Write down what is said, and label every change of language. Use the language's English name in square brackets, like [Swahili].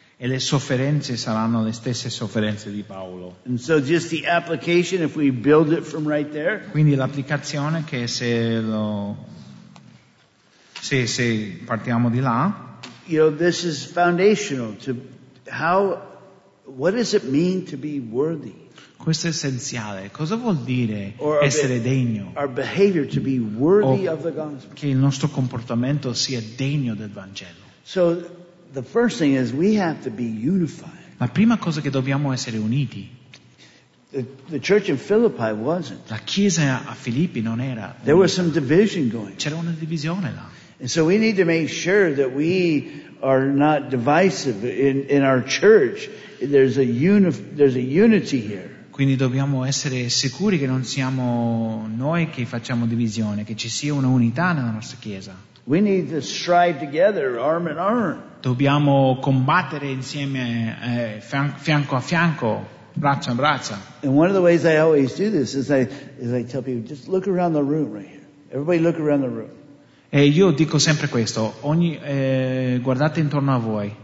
[Italian] E le sofferenze saranno le stesse sofferenze di Paolo. [English] And so just the application, if we build it from right there. [Italian] Quindi l'applicazione che se partiamo di là. [English] You know, this is foundational to how, what does it mean to be worthy? [Italian] Questo è essenziale. Cosa vuol dire essere degno? [English] Our behavior to be worthy of the gospel. [Italian] Che il nostro comportamento sia degno del Vangelo. [English] So, the first thing is we have to be unified. [Italian] La prima cosa è che dobbiamo essere uniti. [English] The church in Philippi wasn't. [Italian] La chiesa a Filippi non era. [English] There was some division going. [Italian] C'era una divisione là. [English] And so we need to make sure that we are not divisive in our church. There's a unity here. [Italian] Quindi dobbiamo essere sicuri che non siamo noi che facciamo divisione, che ci sia una unità nella nostra chiesa. [English] We need to strive together, arm in arm. [Italian] Dobbiamo combattere insieme, fianco a fianco, braccio a braccio. [English] And one of the ways I always do this is I tell people, just look around the room right here. Everybody look around the room. [Italian] E io dico sempre questo, guardate intorno a voi.